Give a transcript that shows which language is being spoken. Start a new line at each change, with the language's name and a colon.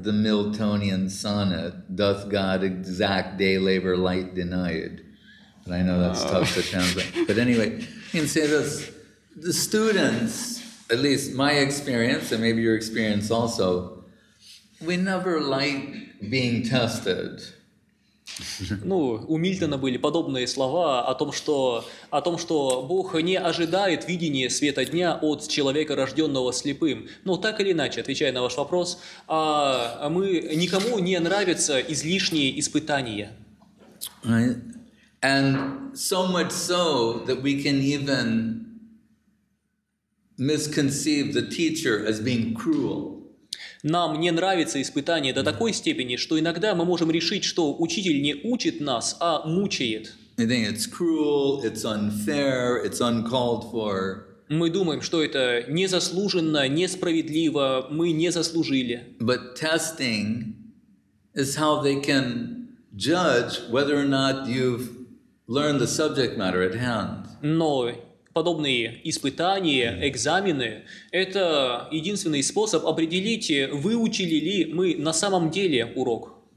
English: The Miltonian sonnet: "Doth God exact day labor light denied?" But I know that's tough to translate. But anyway, you can say this: the students, at least my experience, and maybe your experience also, we never like being tested.
Russian: Ну, у Мильтона были подобные слова о том, что Бог не ожидает видения света дня от человека, рожденного слепым. Но так или иначе, отвечая на ваш вопрос, мы никому не нравятся излишние испытания.
English: Right. And so much so that we can even misconceive the teacher as being cruel.
Russian: Нам не нравится испытание до такой степени, что иногда мы можем решить, что учитель не учит нас, а мучает.
English: I think it's cruel, it's unfair, it's uncalled for.
Russian: Мы думаем, что это незаслуженно, несправедливо, мы не заслужили.
English: But testing is how they can judge whether or not you've learned the subject matter at hand.
Russian: Но подобные испытания, экзамены – это единственный способ определить, выучили ли мы на самом деле урок.